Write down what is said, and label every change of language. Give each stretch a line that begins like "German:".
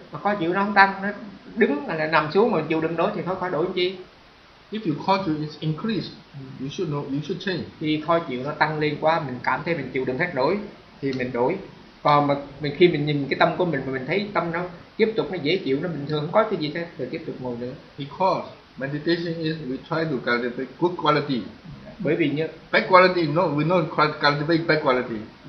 Vietnamese: Mà khó chịu nó không tăng, nó đứng là nằm xuống mà chịu đựng đó thì thôi, khỏi đổi chi.
English: If you
Vietnamese: khó chịu
English: is increase, you should change.
Vietnamese: Khi khó chịu nó tăng lên quá, mình cảm thấy mình chịu đựng hết nổi thì mình đổi. Còn mà mình khi mình nhìn cái tâm của mình mà mình thấy tâm nó tiếp tục nó dễ chịu, nó bình thường không có cái gì hết, rồi tiếp tục ngồi nữa.
English: Because meditation is we try to cultivate good quality.
Vietnamese: Bởi vì như
English: bad quality, no, we not cultivate bad quality.